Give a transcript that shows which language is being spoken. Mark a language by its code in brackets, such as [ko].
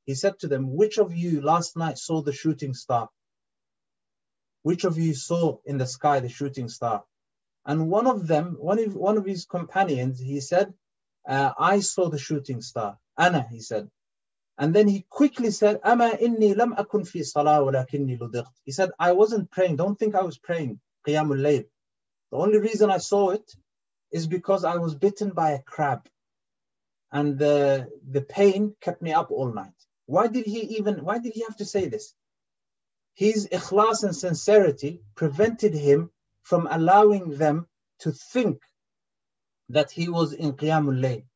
[en] He said to them, which of you last night saw the shooting star? Which of you saw in the sky the shooting star? And one of his companions, he said, I saw the shooting star. [ar] أَنَا, [en] he said. And then he quickly said, [ar] أَمَا إِنِّي لَمْ أَكُنْ فِي صَلَاةٍ وَلَكِنِّي لُدِغْتُ. [en] He said, I wasn't praying. Don't think I was praying. [ar] قيام الليل. [en] The only reason I saw it is because I was bitten by a crab. And the pain kept me up all night. Why did he have to say this? His ikhlas and sincerity prevented him from allowing them to think that he was in Qiyam al-Layl.